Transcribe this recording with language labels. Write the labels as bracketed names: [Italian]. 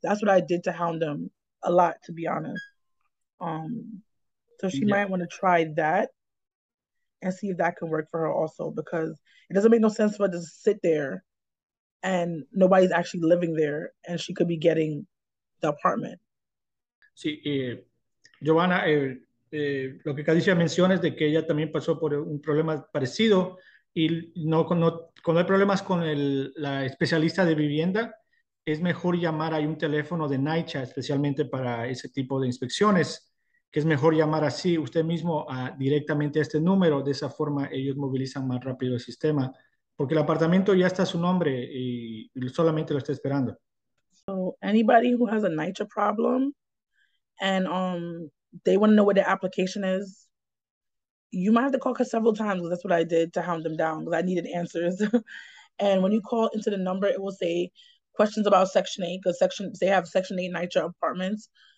[English] That's what I did to hound them a lot, to be honest. So she might want to try that and see if that can work for her also, because it doesn't make no sense for her to sit there and nobody's actually living there and she could be getting the apartment. [Spanish] Sí, Giovanna, lo que Calicia menciona es de que ella también pasó por un problema parecido y cuando hay problemas con la especialista de vivienda, es mejor llamar, hay un teléfono de NYCHA especialmente para ese tipo de inspecciones, que es mejor llamar así usted mismo directamente a este número, de esa forma ellos movilizan más rápido el sistema, porque el apartamento ya está a su nombre y solamente lo está esperando. [English] So anybody who has a NYCHA problem and they want to know where their application is, you might have to call her several times, because that's what I did to hound them down, because I needed answers. And when you call into the number, it will say questions about Section 8, because they have Section 8 NYCHA apartments.